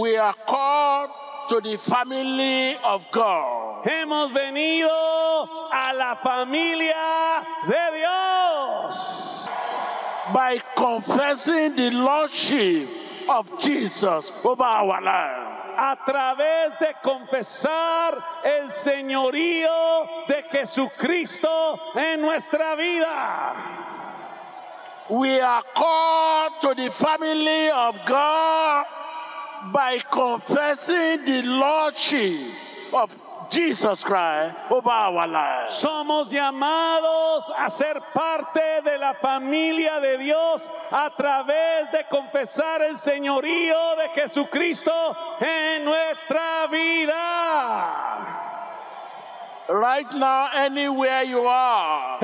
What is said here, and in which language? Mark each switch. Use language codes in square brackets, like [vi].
[en] we are called to the family of God. [es] Hemos venido a la familia de Dios. [en] By confessing the lordship of Jesus over our lives. [es] A través de confesar el señorío de Jesucristo en nuestra vida. [en] We are called to the family of God by confessing the lordship of Jesus Christ over our lives. [es] Somos llamados a ser parte de la familia de Dios a través de confesar el señorío de Jesucristo en nuestra vida. [en] Right now, anywhere you are.